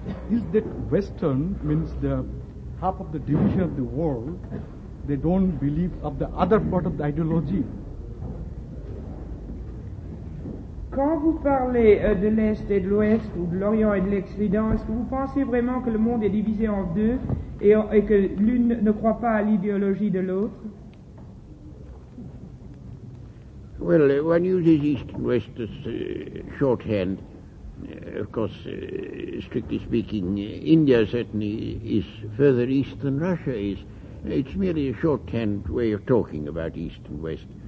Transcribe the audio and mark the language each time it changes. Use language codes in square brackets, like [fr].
[en] Is that Western means the half of the division of the world? They don't believe of the other part of the ideology. [fr] Quand vous parlez de l'Est et de l'Ouest, ou de l'Orient et de l'Occident, est-ce que vous pensez vraiment que le monde est divisé en deux et que l'une ne croit pas à l'idéologie de l'autre? [en] Well, one uses East and West as shorthand. Of course, strictly speaking, India certainly is further east than Russia is. It's merely a shorthand way of talking about East and West.